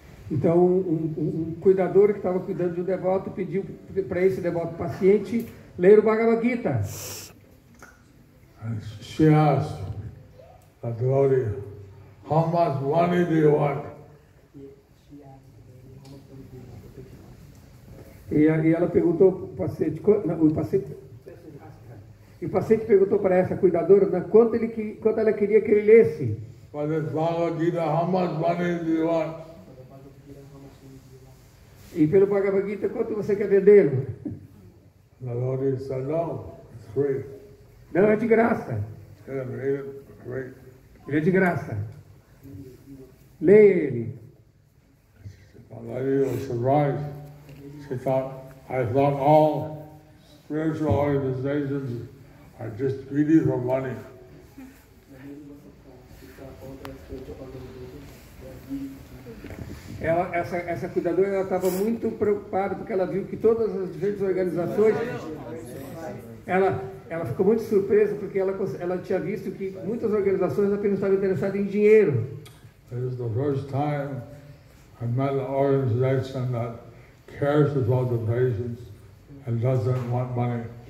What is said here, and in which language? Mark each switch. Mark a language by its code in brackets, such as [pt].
[pt] Então, um cuidador que estava cuidando de um devoto pediu para esse devoto paciente ler o Bhagavad Gita. [en] And she asked the devotee, how much money do you want? [pt] E ela perguntou para o paciente, o paciente perguntou para essa cuidadora, né, quanto ela queria que ele lesse. [en] For this Bhagavad Gita, how much money do you want? [pt] E pelo Bhagavad Gita, quanto você quer vender? [en] The Lord said, no, it's free. [pt] Não, é de graça. Ele é de graça. Leia ele. [en] Valerio was surprised. She thought, I thought all spiritual organizations are just greedy for money. [pt] Essa cuidadora estava muito preocupada porque ela viu que todas as diferentes organizações. Ela ficou muito surpresa porque ela tinha visto que muitas organizações apenas estavam interessadas em dinheiro. [en] This is the first time I met an organization that cares about the patients and doesn't want money.